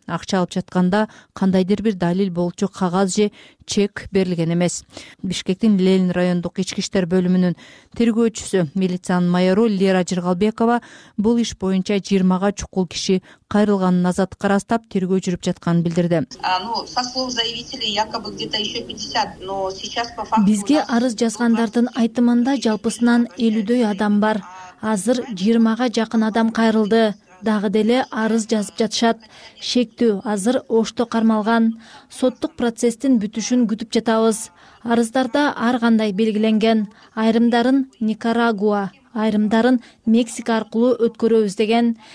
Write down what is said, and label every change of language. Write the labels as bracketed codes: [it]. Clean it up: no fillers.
[ky] Акча алып жатканда кандайдыр бир далил болчу кагаз же чек берилген эмес. Бишкектин Ленин райондук ички иштер бөлүмүнүн тергөөчүсү милициянын майору Лера Жыргалбекова бул иш боюнча 20 чукул киши кайрылганын азат карастап тергөө жүрүп жатканын билдирди. [ru] Со слов заявителей якобы где-то еще 50, но сейчас по факту. [ky] Бизге арыз жазгандардын айтымында жалпысынан 50 адам бар. Азыр 20 жакын адам кайрылды. Дагы деле арыз жазып жатышат. Шектүү азыр Ошто кармалган. Соттук процесстин бүтүшүн күтүп жатабыз. Арыздарда ар кандай белгиленген. Айрымдарын Никарагуа, айрымдарын Мексика аркылуу өткөрөбүз деген.